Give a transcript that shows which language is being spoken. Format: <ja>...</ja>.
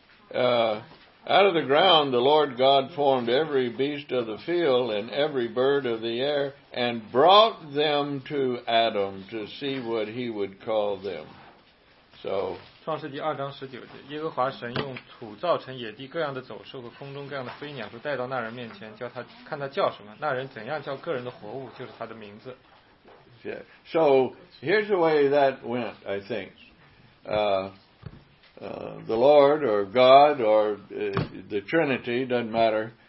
<en>Out of the ground the Lord God formed every beast of the field and every bird of the air and brought them to Adam to see what he would call them. So,</en> <zh>创世纪二章十九节，耶和华神用土造成野地各样的走兽和空中各样的飞鸟，都带到那人面前，叫他看他叫什么，那人怎样叫个人的活物，就是他的名字。</zh> <en>Yeah. So here's the way that went, I think. The Lord or God or the Trinity doesn't matter.</en>